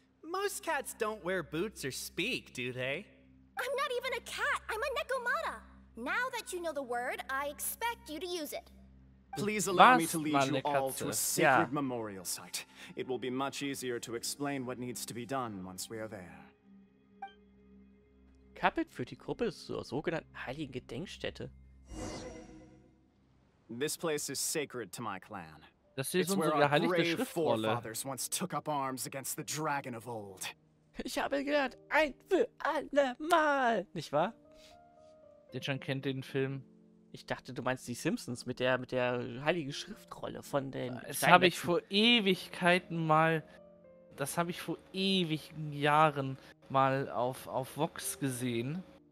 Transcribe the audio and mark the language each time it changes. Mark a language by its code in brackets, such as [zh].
[en] Most cats don't wear boots or speak, do they? I'm not even a cat, I'm a Nekomata. Now that you know the word, I expect you to use it. Please allow me to lead you all to a sacred memorial site. It will be much easier to explain what needs to be done once we are there. [de] Kapit führt die Gruppe zur sogenannten Heiligen Gedenkstätte. [en] This place is sacred to my clan. [de] Das ist unsere heilige Schriftrolle. [en] Once took up arms against the dragon of old. [de] Ich habe gelernt, ein für alle Mal, nicht wahr? Der John kennt den Film. Ich dachte, du meinst die Simpsons mit der heiligen Schriftrolle von den. Das habe ich vor ewigen Jahren mal auf Vox gesehen.